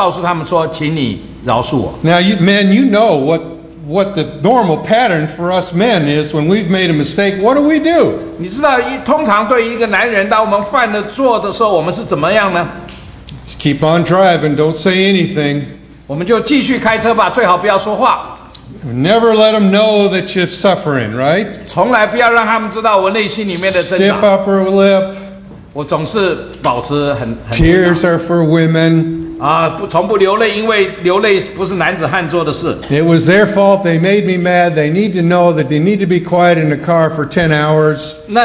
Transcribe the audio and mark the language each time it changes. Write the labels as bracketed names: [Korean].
[Chinese] 我们对于我们所冒犯的人，我们能不能这样说，告诉他们说，请你饶恕我？ [English] Now, man, you know what the normal pattern for us men is when we've made a mistake, what do we do? [Chinese] 你知道，通常对于一个男人，当我们犯了错的时候，我们是怎么样呢？ [English] Just keep on driving, don't say anything. [Chinese] 我们就继续开车吧，最好不要说话。 [English] Never let them know that you're suffering, right? [Chinese] 从来不要让他们知道我内心里面的挣扎。 [English] Stiff upper lip. [Chinese] 我总是保持很 [English] Tears are for women. [Chinese] 从不流泪，因为流泪不是男子汉做的事。 [English] It was their fault. They made me mad. They need to know that they need to be quiet in the car for 10 hours.